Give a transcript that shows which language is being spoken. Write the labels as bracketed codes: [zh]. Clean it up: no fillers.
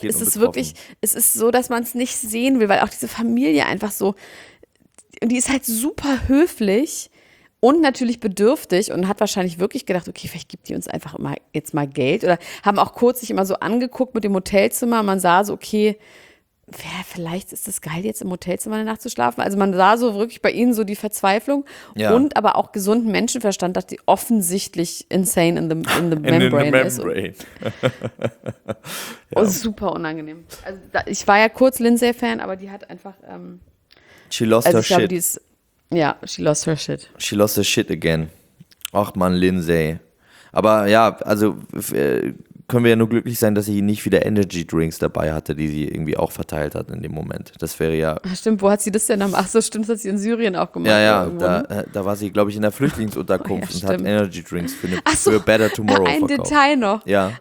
[de] gesagt, ist es wirklich, es ist so, dass man es nicht sehen will, weil auch diese Familie einfach so, die ist halt super höflich und natürlich bedürftig und hat wahrscheinlich wirklich gedacht, okay, vielleicht gibt die uns einfach mal jetzt mal Geld oder haben auch kurz sich immer so angeguckt mit dem Hotelzimmer und man sah so, okay, vielleicht ist es geil, jetzt im Hotelzimmer eine Nacht zu schlafen. Also man sah so wirklich bei ihnen so die Verzweiflung, ja, und aber auch gesunden Menschenverstand, dass die offensichtlich [en] insane in the membrane [de] ist. Und ja, super unangenehm. Also da, ich war ja kurz Lindsay-Fan, aber die hat einfach [en] she lost [de] also [en] her shit. [de] Die ist, ja, [en] she lost her shit. She lost her shit again. [de] Ach man, Lindsay. Aber ja, also können wir ja nur glücklich sein, dass sie nicht wieder Energy Drinks dabei hatte, die sie irgendwie auch verteilt hat in dem Moment. Das wäre ja... Ach stimmt, wo hat sie das denn gemacht? Ach so, stimmt, das hat sie in Syrien auch gemacht. Ja, ja, da war sie, glaube ich, in der Flüchtlingsunterkunft und hat Energy Drinks für Better Tomorrow verkauft. Ein Detail noch. Ja.